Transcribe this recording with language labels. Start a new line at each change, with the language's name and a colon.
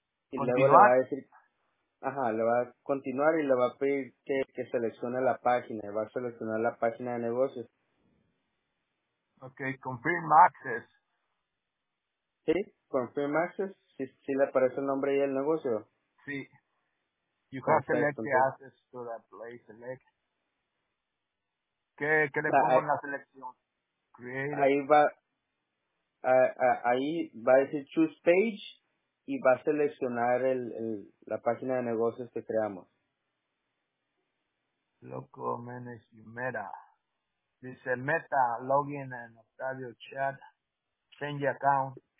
Spanish: Y luego le va a decir, ajá, le va a continuar y le va a pedir que seleccione la página. Va a seleccionar la página de negocios.
English: Ok, confirm access.
Spanish: Sí, confirm access. Si ¿Sí, sí le aparece el nombre y el negocio? Sí.
English: You can select the access to that place.
Spanish: Select. ¿Qué le pongo en la selección? Ahí va a decir choose page y va a seleccionar la página de negocios que creamos. Local Manage Meta. Dice Meta, login en Octavio Chat, change account.